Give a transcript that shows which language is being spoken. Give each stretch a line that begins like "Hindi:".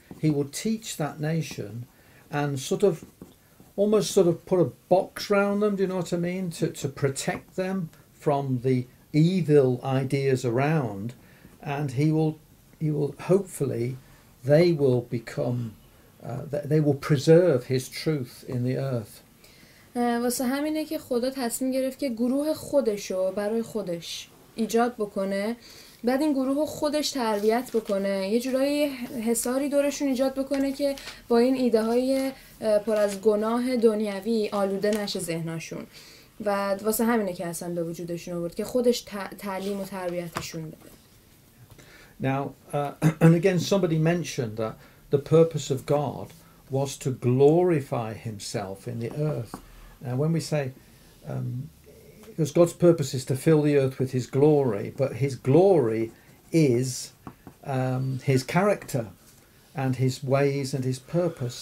English: He will teach that nation and sort of almost sort of put a box around them, do you know what I mean, to protect them from the evil ideas around. And he will hopefully, they will become they will preserve his truth in the earth.
Persian: واسه همینه که خدا تصمیم گرفت که گروه خودشو برای خودش ایجاد بکنه، بعد این گروه خودش تربیت بکنه، یه جورایی حساری دورشون ایجاد بکنه که با این ایده های پر از گناه دنیوی آلوده نشه ذهنشون. و واسه همینه که اصلا به وجودشون آورد که خودش تعلیم و تربیتشون بده.
English: Now and again somebody mentioned that the purpose of God was to glorify himself in the earth. Now when we say because God's purpose is to fill the earth with his glory, but his glory is his character and his ways and his purpose.